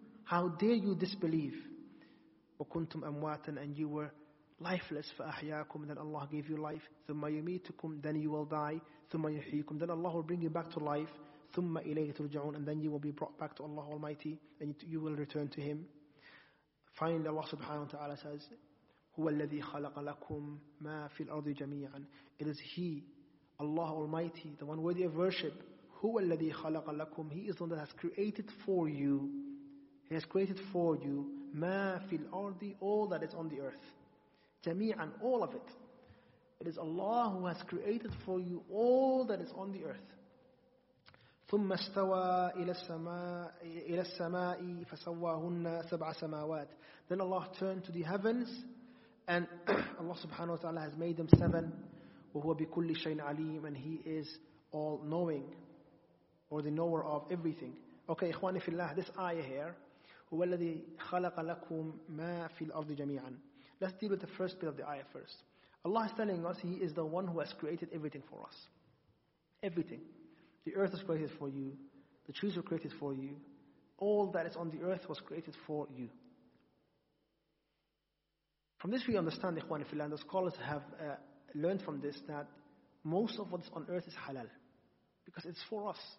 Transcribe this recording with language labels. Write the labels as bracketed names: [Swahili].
[English] How dare you disbelieve? [Arabic] وَكُنْتُمْ أَمْوَاتًا. [English] And you were lifeless. [Arabic] فَأَحْيَاكُمْ. [English] Then Allah gave you life. [Arabic] ثُمَّ يُمِيتُكُمْ. [English] Then you will die. [Arabic] ثُمَّ يُحْيِيكُمْ. [English] Then Allah will bring you back to life. [Arabic] ثُمَّ إِلَيْهِ تُرْجَعُونَ. [English] And then you will be brought back to Allah Almighty. And you will return to Him. Finally, Allah subhanahu wa ta'ala says, [Arabic] هُوَ الَّذِي خَلَقَ لَكُمْ مَا فِي الْأَرْضِ جَمِيعًا. [English] It is He, Allah Almighty, the one worthy of worship. [Arabic] هُوَ الَّذِي خَلَقَ لَكُمْ. [English] He is the one that has created for you. He has created for you. [Arabic] مَا فِي الْأَرْضِ. [English] All that is on the earth. Jami'an, all of it. It is Allah who has created for you all that is on the earth. [Arabic] ثُمَّ اسْتَوَى إِلَى السَّمَاءِ فَسَوَّاهُنَّ سَبْعَ سَمَاوَاتٍ. [English] Then Allah turned to the heavens, and Allah subhanahu wa ta'ala has made them seven. [Arabic] وَهُوَ بِكُلِّ شَيْءٍ عَلِيمٍ. [English] And He is all-knowing, or the knower of everything. Okay, [Arabic] إِخْوَانِ فِي اللَّهِ, [English] this ayah here, [Arabic] هُوَ الَّذِي خَلَقَ لَكُمْ مَا فِي الْأَرْضِ جَمِيعًا. [English] Let's deal with the first bit of the ayah first. Allah is telling us He is the one who has created everything for us. Everything. The earth was created for you. The trees were created for you. All that is on the earth was created for you. From this we understand, ikhwan fillah, the scholars have learned from this that most of what's on earth is halal. Because it's for us.